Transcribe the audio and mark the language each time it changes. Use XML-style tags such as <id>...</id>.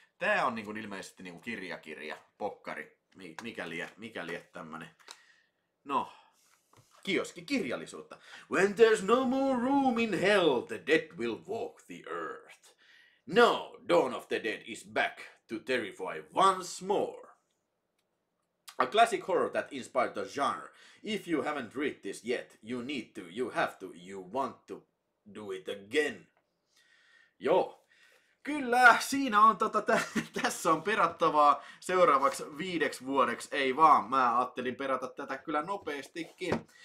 <fi>Tää on niinku ilmeisesti niinku kirja, pokkari. Mikäli tämmönen. No. Kioski kirjallisuutta.</fi> <en>When there's no more room in hell, the dead will walk the earth. No, Dawn of the Dead is back to terrify once more. A classic horror that inspired the genre. If you haven't read this yet, you need to, you have to, you want to do it again.</en> <fi>Joo. Kyllä, siinä on tässä on perattavaa seuraavaksi 5 vuodeksi. Ei vaan, mä ajattelin perata tätä kyllä nopeastikin.</fi>